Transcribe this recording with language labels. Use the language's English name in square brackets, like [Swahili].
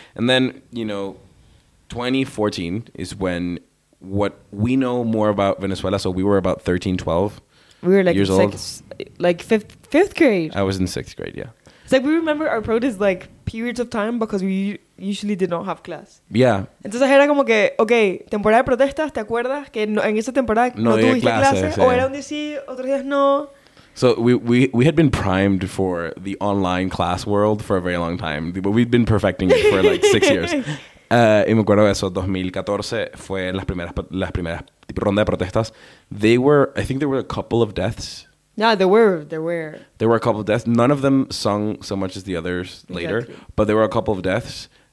[English] And then, you know, 2014 is when what we know more about Venezuela. So we were about 13, 12 we were like years old. Like fifth grade. I was in sixth grade, yeah. It's like we remember our protest like periods of time because we usually did not have class. Yeah. [Spanish] Entonces era como que, okay, temporada de protestas, ¿te acuerdas? Que no, en esa temporada no tuviste clases. Yeah. O era un día sí, otros días no. [English] So we had been primed for the online class world for a very long time, but we'd been perfecting it for like 6 years. [Spanish] Y me acuerdo eso, 2014 fue las primeras ronda de protestas. [English] I think there were a couple of deaths. Yeah, there were. There were a couple of deaths. None of them sung so much as the others later, but there were a couple of deaths.